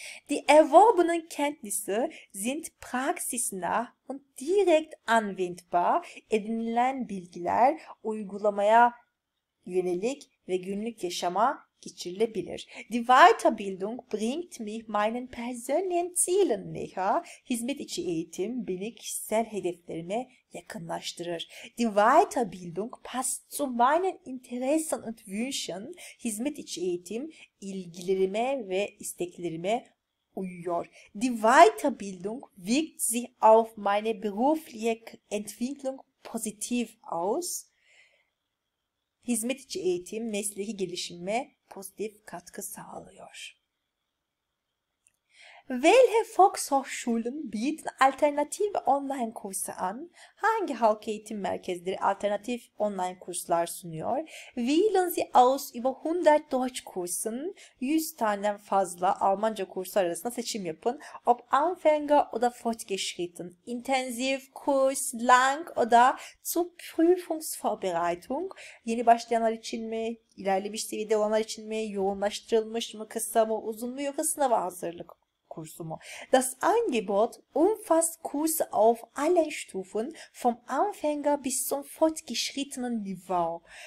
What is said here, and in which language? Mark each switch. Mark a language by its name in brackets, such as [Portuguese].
[German] Die erworbenen Kenntnisse sind praxisnah und direkt anwendbar. [Turkish] Edinilen bilgiler uygulamaya yönelik ve günlük yaşama geçirilebilir. [German] Die Weiterbildung bringt mich meinen persönlichen Zielen näher. [Turkish] Hizmet içi eğitim beni kişisel hedeflerime yakınlaştırır. [German] Die Weiterbildung passt zu meinen Interessen und Wünschen. [Turkish] Hizmet içi eğitim ilgilerime ve isteklerime uyuyor. [German] Die Weiterbildung wirkt sich auf meine berufliche Entwicklung positiv aus. [Turkish] Hizmet içi eğitim mesleki gelişime pozitif katkı sağlıyor. [German] Welche Volkshochschulen bieten alternative online kurse an? [Turkish] Hangi halk eğitim merkezleri alternatif online kurslar sunuyor? [German] Wählen Sie aus über 100 Deutschkursen, [Turkish] 100 taneden fazla Almanca kursu arasında seçim yapın. [German] Ob Anfänger oder Fortgeschritten, intensiv kurs, lang oder zur Prüfungsvorbereitung, [Turkish] yeni başlayanlar için mi, ilerlemiş seviyede olanlar için mi, yoğunlaştırılmış mı, kısa mı, uzun mu, yoksa sınava hazırlık kursu mu? [German] Das Angebot umfasst Kurse auf allen Stufen, vom Anfänger bis zum fortgeschrittenen Niveau.